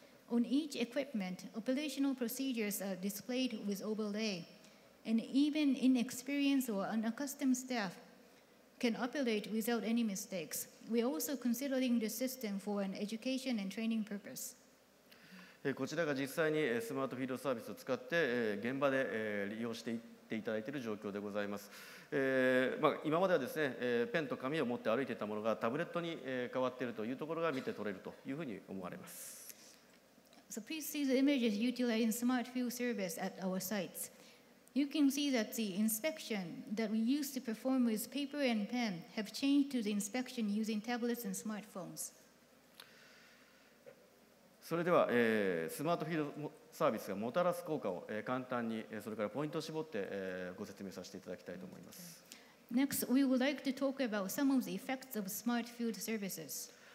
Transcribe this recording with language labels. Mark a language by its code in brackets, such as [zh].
[en] On each equipment, operational procedures are displayed with overlay, and even inexperienced or unaccustomed staff can operate without any mistakes. We are also considering the system for an education and training purpose. [ja] こちらが実際にスマートフィールドサービスを使って現場で利用していっていただいている状況でございます。今まではですね、ペンと紙を持って歩いていたものがタブレットに変わっているというところが見て取れるというふうに思われます。 [en] So please see the images utilizing smart field service at our sites. You can see that the inspection that we used to perform with paper and pen have changed to the inspection using tablets and smartphones. [ja] それでは、スマートフィールドサービスがもたらす効果を、簡単に、それからポイントを絞って、ご説明させていただきたいと思います。 [en] Next, we would like to talk about some of the effects of smart field services.